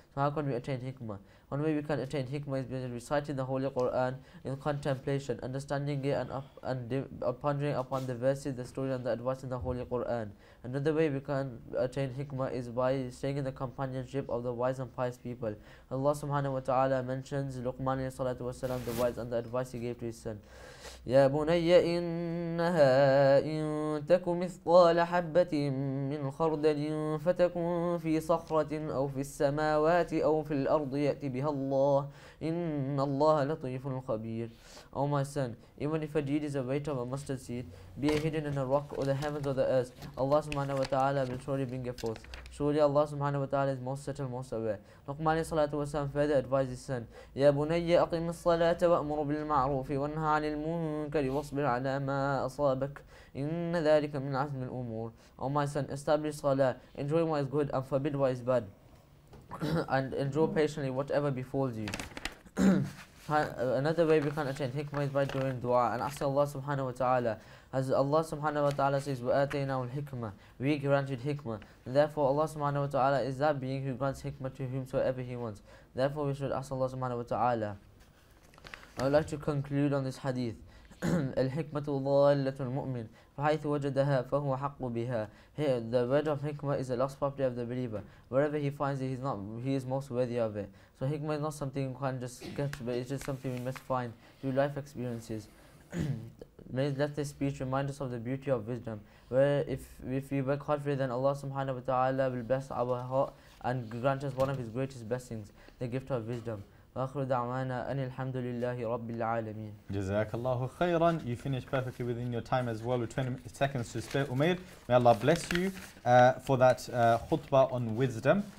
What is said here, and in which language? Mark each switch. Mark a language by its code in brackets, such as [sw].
[en] So how can we attain hikmah? One way we can attain hikmah is by reciting the Holy Quran in contemplation, understanding it and pondering upon the verses, the story and the advice in the Holy Quran. Another way we can attain hikmah is by staying in the companionship of the wise and pious people. Allah subhanahu wa ta'ala mentions Luqman alayhi salatu wa salam, the wise and the advice he gave to his son. [ar] يا بني إنها إن تك مثقال حبة من خردل فتكن في صخرة أو في السماوات أو في الأرض يأتي بها الله إن الله لطيف خبير. [en] O my son, even if a deed is a weight of a mustard seed, be it hidden in a rock or the heavens or the earth, Allah subhanahu wa ta'ala will surely bring it forth. Surely Allah subhanahu wa ta'ala is most subtle, most aware. Luqman alayhi salatu wa salam further advised his son, [ar] يا بني أقم الصلاة وأمر بالمعروف وانهى عن المنكر واصبر على ما أصابك إن ذلك من عزم الأمور. [en] O my son, establish salah, enjoy what is good and forbid what is bad, and endure patiently whatever befalls you. Another way we can attain hikmah is by doing dua and asking Allah subhanahu wa ta'ala. As Allah subhanahu wa ta'ala says, [ar] وَآتَيْنَا الْحِكْمَةِ, [en] we granted hikmah. Therefore Allah subhanahu wa ta'ala is that being who grants hikmah to whomsoever he wants. Therefore we should ask Allah subhanahu wa ta'ala. I would like to conclude on this hadith. [ar] الحكمة ضالة المؤمن فحيث وجدها فهو حق بها. [en] Here, the word of hikmah is the last property of the believer. Wherever he finds it, he is most worthy of it. So hikmah is not something you can just get, but it's just something we must find through life experiences. Let this speech remind us of the beauty of wisdom. Where if we work hard for it, then Allah subhanahu wa ta'ala will bless our heart and grant us one of his greatest blessings, the gift of wisdom. [ar] وآخر دعوانا أن الحمد لله رب العالمين. جزاك الله خيرا. [en] You finished perfectly within your time as well, with 20 seconds to spare. Umair, may Allah bless you for that khutbah on wisdom.